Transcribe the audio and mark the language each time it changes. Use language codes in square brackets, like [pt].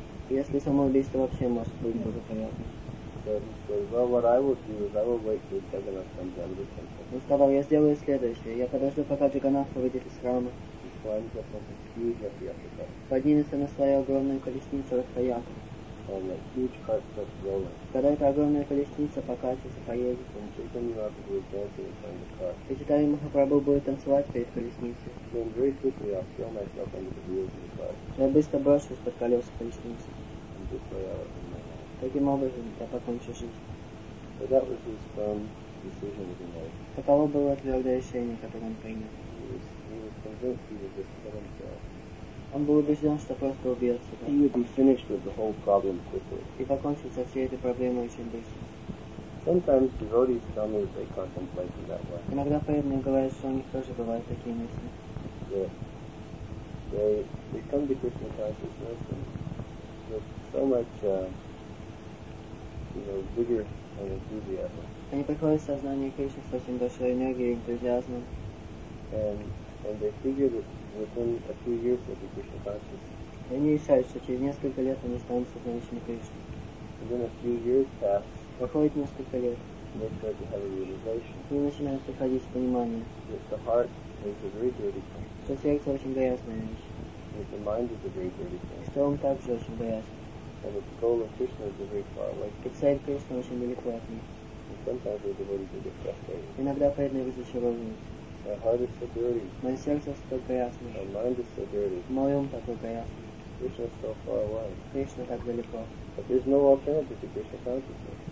[ru] Если самоубийство вообще может быть благоприятным. [en] So he said, well, what I will do is I will wait till Jagannath comes out of the temple. [ru] Он сказал, я сделаю следующее. Я подожду, пока Джаганнатха выйдет из храма. [en] He climbs up on his huge Rathayatra. [ru] Поднимется на свою огромную колесницу Rathayatra. [en] And a huge cart starts rolling. [ru] Когда эта огромная колесница покатится, поедет, [en] and Chaitanya Mahaprabhu is dancing in front of the car. [ru] И Чайтанья Махапрабху будет танцевать перед колесницей. [en] Then very quickly I'll throw myself under the wheels of the car. [ru] Я быстро брошусь под колеса колесницы. [en] And just lay out of my life. [ru] Таким образом я покончу жизнь. [en] So that was his firm decision that he made. [ru] Таково было твердое решение, которое он принял. [en] He was convinced he would just kill himself. [ru] Он был убежден, что просто убьет себя. [en] He would be finished with the whole problem quickly. [ru] И покончил со всей этой проблемой очень быстро. [en] Sometimes devotees tell me that they contemplate in that way. [ru] Иногда преданные говорят, что у них тоже бывают такие мысли. [en] Yeah. They come to Krishna consciousness and with so much vigor and enthusiasm. [ru] Они приходят в сознание Кришны с очень большой энергией и энтузиазмом. [en] And they figure that within a few years they'll be Krishna conscious. [ru] И они решают, что через несколько лет они станут сознающими Кришны. [en] And then a few years pass. [ru] Проходит несколько лет. [en] And they start to have a realization. [ru] И начинают приходить понимание. [en] That the heart is a very dirty thing. [ru] Что сердце очень грязная вещь. [en] That the mind is a very dirty thing. [ru] Что ум также очень грязный. [en] And that the goal of Krishna is a very far away. [ru] И цель Кришны очень далеко от них. [en] And sometimes the devotees will get frustrated. [ru] Иногда преданные разочаровываются. [en] My heart is so dirty. [ru] Мое сердце столько ясно. [en] My mind is so dirty. [ru] Мой ум такой ясный. [en] Krishna is so far away. [ru] Кришна так далеко. [en] But there's no alternative to Krishna consciousness.